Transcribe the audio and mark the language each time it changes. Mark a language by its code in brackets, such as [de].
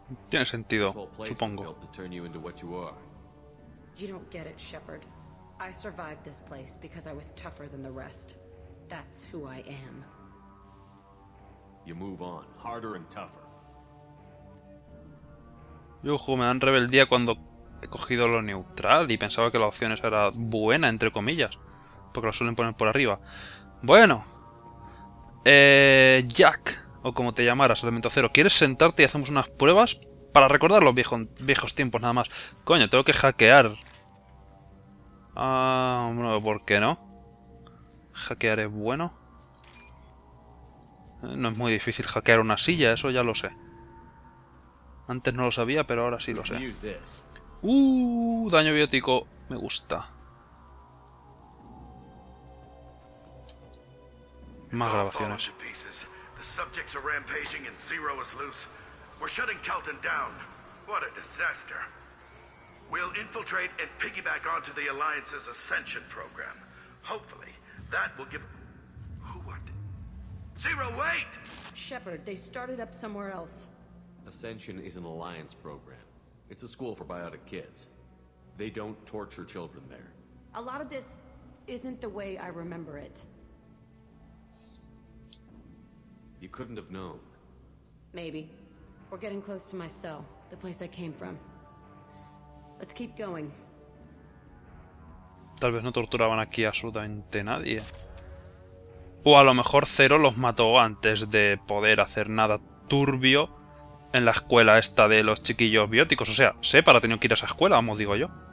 [es] Tiene sentido, supongo. To turn [en] you into what you are. You don't get it, Shepard. I survived this place because I was tougher than the rest. That's who I am. You move on, harder and tougher. [es] Yuhu, me dan rebeldía cuando he cogido lo neutral y pensaba que la opción esa era buena, entre comillas. Porque lo suelen poner por arriba. Bueno. Jack, o como te llamaras, Elemento Cero. ¿Quieres sentarte y hacemos unas pruebas? Para recordar los viejos tiempos, nada más. Coño, tengo que hackear. Bueno, ¿por qué no? Hackear es bueno. No es muy difícil hackear una silla, eso ya lo sé. Antes no lo sabía, pero ahora sí lo sé. Daño biótico. Me gusta. Más grabaciones. Los sujetos están rampagando y Zero está libre. Estamos cerrando Kelton. ¡Qué desastre! Vamos a infiltrar y piggyback a la Alliance de Ascension Program. Esperamos que eso nos dé... ¿Qué? ¡Zero, wait! [en] Shepard, they started up somewhere else. Ascension is an alliance program. It's a school for biotic kids. They don't torture children there. A lot of this isn't the way I remember it. You couldn't have known. Maybe. We're getting close to my cell, the place I came from. Let's keep going. [es] Tal vez no torturaban aquí absolutamente nadie. O a lo mejor Zero los mató antes de poder hacer nada turbio. En la escuela esta de los chiquillos bióticos. O sea, SEPAR ha tenido que ir a esa escuela, vamos, digo yo.